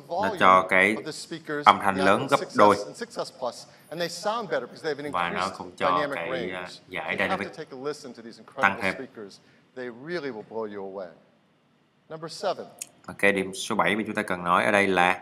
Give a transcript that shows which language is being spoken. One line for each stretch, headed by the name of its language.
Vietnamese: Nó cho cái âm thanh lớn gấp đôi.
English: And they sound better because they have an increased dynamic range.
Vietnamese: Giải dynamic.
English: You have to take a listen to these incredible speakers. They really will blow you away. Number 7.
Vietnamese: Okay, điểm số 7 mà chúng ta cần nói ở đây là